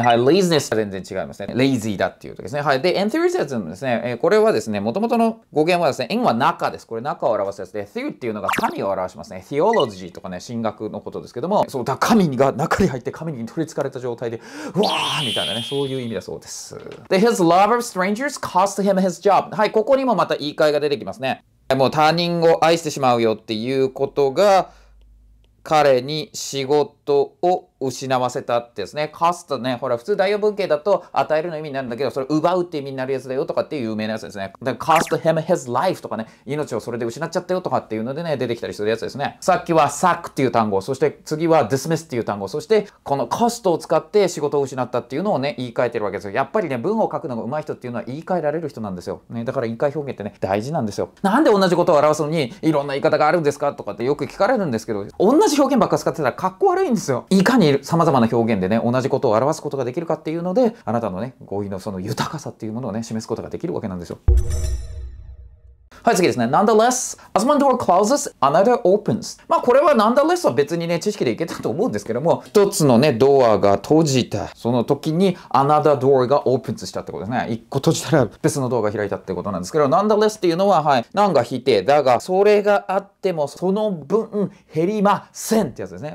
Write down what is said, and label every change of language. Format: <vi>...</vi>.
<ja>はい、laziness は全然違いますね。lazy だっていうとですね。はい、で、enthusiasm ですね。これはですね、もともとの語源はですね、in は中です。これ中を表すやつで、through っていうのが神を表しますね。 theology とかね、神学のことですけども、そうだ、神が中に入って神に取り憑かれた状態で、うわーみたいなね、そういう意味だそうです。</ja> <en>で、his loveLove of strangers cost him his job.</en> <ja>はい、ここにもまた言い換えが出てきますね。もう他人を愛してしまうよっていうことが彼に仕事を失わせたってですね。 cost ね、ほら普通代用文型だと与えるの意味になるんだけど、それ奪うって意味になるやつだよとかっていう有名なやつですね。で、</ja> <en>cost him his life</en> <ja>とかね、命をそれで失っちゃったよとかっていうのでね、出てきたりするやつですね。さっきは sack っていう単語、そして次は dismiss っていう単語、そしてこの cost を使って仕事を失ったっていうのをね、言い換えてるわけですよ。やっぱりね、文を書くのが上手い人っていうのは言い換えられる人なんですよ。ね、だから言い換え表現ってね、大事なんですよ。なんで同じことを表すのにいろんな言い方があるんですかとかってよく聞かれるんですけど、同じ表現ばっか使ってたらかっこ悪いんですよ。いかにさまざまな表現でね、同じことを表すことができるかっていうので、あなたのね、語彙のその豊かさっていうものをね、示すことができるわけなんですよ。はい、次ですね。</ja> <en>Nonetheless, as one door closes, another opens.</en> <ja>まあ、これは Nonetheless は別にね、知識でいけたと思うんですけども、一つのね、ドアが閉じた。その時に、another door が opens したってことですね。一個閉じたら別のドアが開いたってことなんですけど、Nonetheless っていうのは、はい、何が否定。だが、それがあっても、その分減りませんってやつですね。</ja>